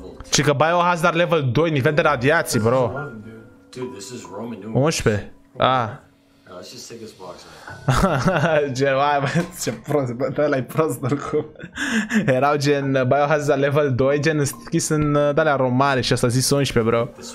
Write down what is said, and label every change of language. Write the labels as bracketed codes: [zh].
[ro] Ce că biohazard level 2, nivel de radiații, bro. [en] Dude, this is Roman numerals. 11. Ah. No, let's just take this box out. [ro] Gen, ce prost, bă, ăla-i prost oricum. Erau gen biohazard level 2, gen schis în d-alea romane și ăsta a zis 11, bro.